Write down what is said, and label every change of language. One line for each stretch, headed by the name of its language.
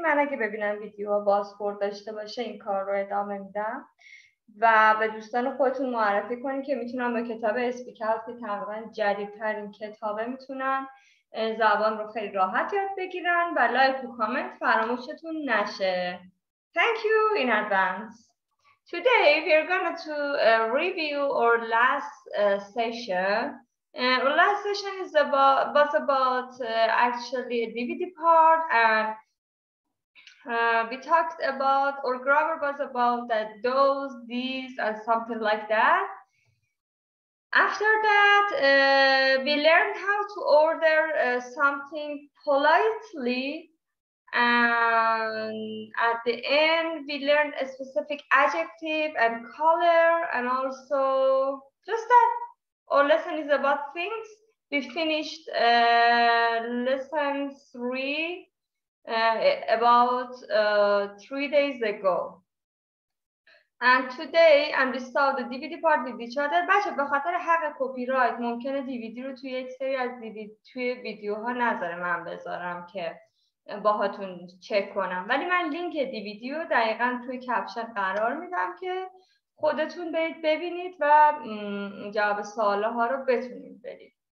Persian: من اگه ببینم ویدیو بازخورد داشته باشه این کار رو ادامه میدم و به دوستان خودتون معرفی کنین که میتونم به کتاب اسپیکر که تقریبا جدیدترین کتابه میتونم زبان رو خیلی راحت یاد بگیرن و لایک و کامنت فراموشتون نشه.
English: Thank you in advance. Today we are going to review our last session. Our last session is about actually a DVD part, and we talked about our grammar was about that those, these and something like that. After that, we learned how to order something politely, and at the end, we learned a specific adjective and color, and also just that our lesson is about things. We finished lesson 3 about 3 days ago. And today and we saw the DVD part with each other.
Persian: بچه به خاطر حق کپی رایت ممکنه دیویدی رو توی یک سری از دیوید توی ویدیوها نظر من بذارم که باهاتون چک کنم، ولی من لینک دیویدی رو دقیقا توی کپشن قرار میدم که خودتون برید ببینید و جواب سوالها ها رو بتونید برید.